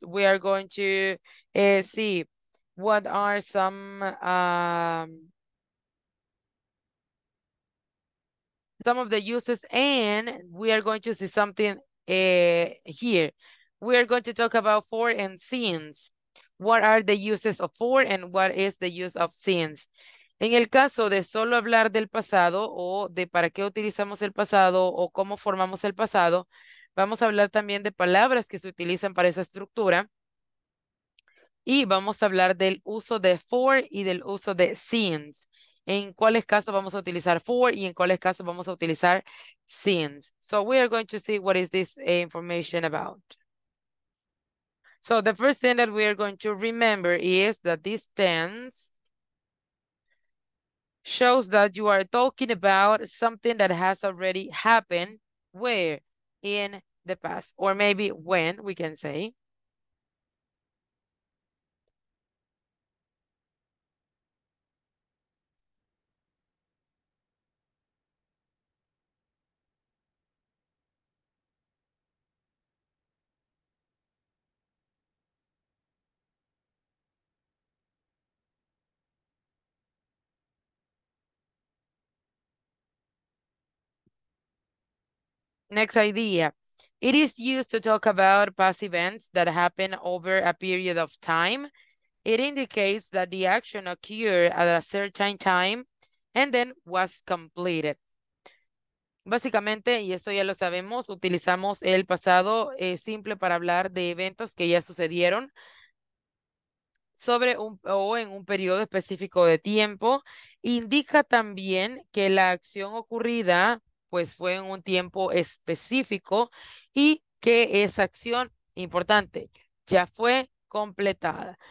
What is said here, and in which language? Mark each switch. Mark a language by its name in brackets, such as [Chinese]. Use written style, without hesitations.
[English] We are going to see what are some of the uses, and we are going to see something here. We are going to talk about for and since. What are the uses of for and what is the use of since? [Spanish] En el caso de solo hablar del pasado o de para qué utilizamos el pasado o cómo formamos el pasado, vamos a hablar también de palabras que se utilizan para esa estructura. Y vamos a hablar del uso de for y del uso de since. En cuáles casos vamos a utilizar for y en cuáles casos vamos a utilizar since. [English] So we are going to see what is this information about. So the first thing that we are going to remember is that this tense shows that you are talking about something that has already happened. Where? In the past, or maybe when, we can say. Next idea. It is used to talk about past events that happen over a period of time. It indicates that the action occurred at a certain time and then was completed. [Spanish] Básicamente, y esto ya lo sabemos, utilizamos el pasado simple para hablar de eventos que ya sucedieron sobre un o en un periodo específico de tiempo. Indica también que la acción ocurrida pues fue en un tiempo específico y que esa acción, importante, ya fue completada.